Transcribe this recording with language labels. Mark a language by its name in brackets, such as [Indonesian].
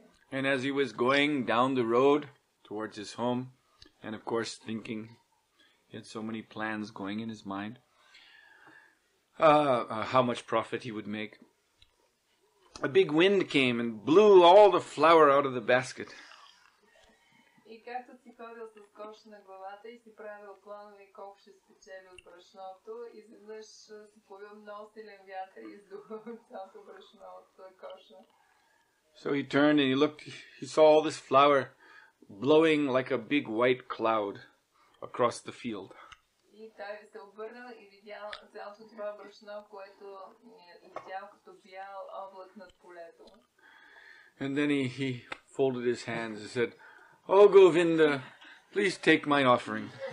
[English] And as he was going down the road towards his home, and of course thinking, he had so many plans going in his mind, how much profit he would make, a big wind came and blew all the flour out of the basket. [Bulgarian] И както си ходил с кош на главата и си правил планове колко ще спечели от брашното, изведнъж си повил много силен вятър и издухал цялото брашно от коша. [English] So he turned and he looked, he saw all this flour blowing like a big white cloud across the field. [Bulgarian] И той се обърнал и видял цялото това брашно, което летял като бял облак над полето. [English] And then he folded his hands and said, "Oh Govinda, please take my offering."